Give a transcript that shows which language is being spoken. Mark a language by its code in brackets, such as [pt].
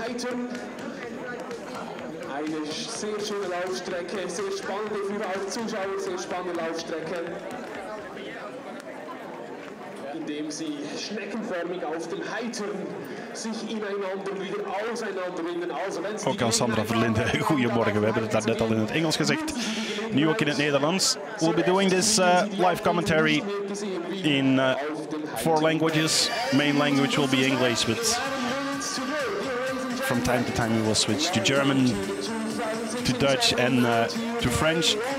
[de] Eine sehr schöne Laufstrecke, sehr spannende für alle Zuschauer, sehr spannende Laufstrecke, indem sie schneckenförmig auf dem Heitern sich ineinander wieder auseinanderwinden. Also, wenn [nl] sie okay, Sandra Verlinde, goedemorgen. We hebben het daar net al in het Engels gezegd. Nu ook in het Nederlands. [en] We'll be doing this live commentary in four languages. Main language will be English, but from time to time we will switch to German, to Dutch, and to French.